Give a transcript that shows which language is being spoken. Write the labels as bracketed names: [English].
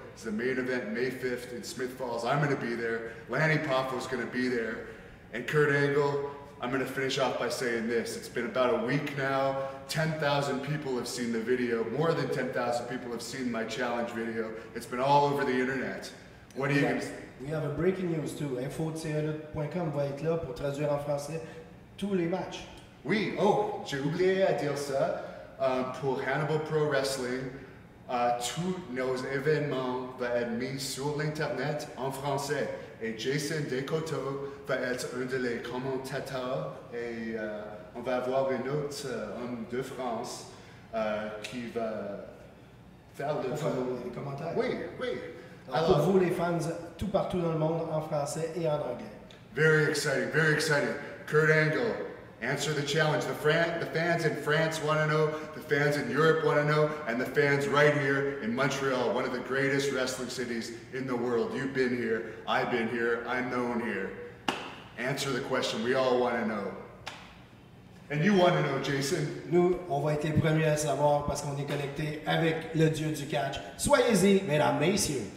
[English] It's the main event, May 5th in Smith Falls. I'm going to be there. Lanny Poffo's going to be there. And Kurt Angle. I'm gonna finish off by saying this. It's been about a week now. 10,000 people have seen the video. More than 10,000 people have seen my challenge video. It's been all over the internet. What are you gonna say? We have a breaking news too. [French] Info-lutte.com va être là pour traduire en français tous les matchs. Oui, oh, j'ai oublié à dire ça. Pour Hannibal Pro Wrestling, tous nos événements vont être mis sur l'internet en français. Et Jason Descôteaux va être un de les commentateurs et on va avoir un autre homme de France qui va faire les commentaires. Oui, oui. Alors, pour vous les fans tout partout dans le monde en français et en anglais. [English] Very exciting, very exciting. Kurt Angle, answer the challenge. The fans in France want to know, the fans in Europe want to know, and the fans right here in Montreal, one of the greatest wrestling cities in the world. You've been here, I've been here, I'm known here. Answer the question, we all want to know. And you want to know, Jason. [French] Nous, on va être les premiers à savoir parce qu'on est connectés avec le dieu du catch. Soyez-y, mesdames, messieurs.